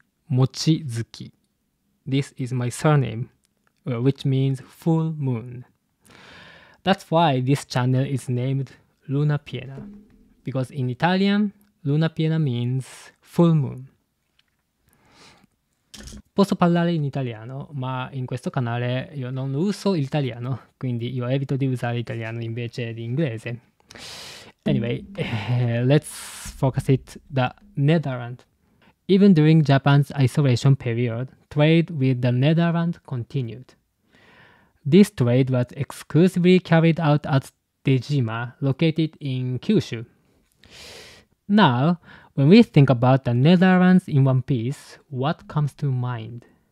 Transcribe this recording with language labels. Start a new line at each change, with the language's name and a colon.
English: Mochizuki. This is my surname, which means full moon. That's why this channel is named Luna Piena, because in Italian, Luna Piena means full moon.
Italian: Posso parlare in italiano, ma in questo canale io non uso l'italiano, quindi io evito di usare l'italiano invece di inglese.
English: Anyway, let's focus it the Netherlands. Even during Japan's isolation period, trade with the Netherlands continued. This trade was exclusively carried out at Dejima, located in Kyushu. Now, when we think about the Netherlands in One Piece, what comes to mind?